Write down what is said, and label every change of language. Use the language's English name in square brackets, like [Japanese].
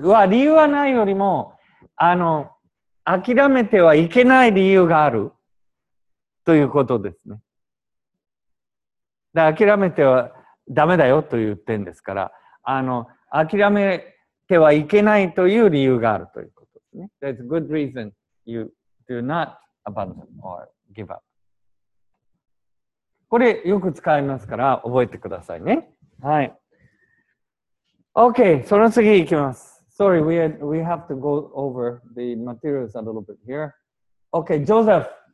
[Japanese] うわ、理由はないよりも、諦めてはいけない理由がある。ということですね。で、諦めてはダメだよと言ってんですから、諦めてはいけないという理由があるということですね。 [English] That's a good reason you do not abandon or give up. [Japanese] これよく使いますから覚えてくださいね。はい。OK、その次いきます。 [English] Sorry, we have to go over the materials a little bit here. OK, Joseph.